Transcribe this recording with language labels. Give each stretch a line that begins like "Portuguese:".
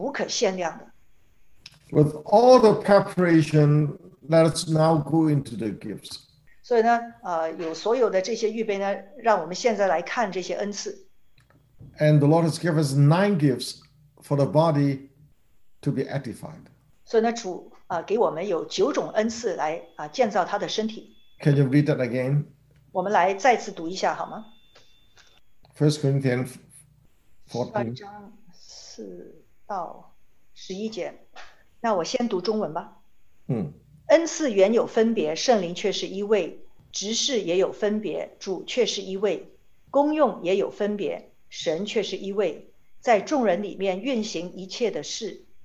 Chinese: 我相信呢，一个愿意呢，完全的委身，同心，而且是一起来寻求他的，是神要行的事，是无可限量的。With
English: all the preparation, let us now go into the gifts.
Chinese: 所以呢，有所有的这些预备呢，让我们现在来看这些恩赐。And
English: the Lord has given us 9 gifts for the body to be edified.
Chinese: 所以呢，主。给我们有九种恩赐来建造他的身体。Can
English: you read that again?
Chinese: 我们来再次读一下好吗？
English: 1 Corinthians
Chinese: 14:4-11。那我先读中文吧。恩赐原有分别，圣灵却是一位，执事也有分别，主却是一位，功用也有分别，神却是一位，在众人里面运行一切的事。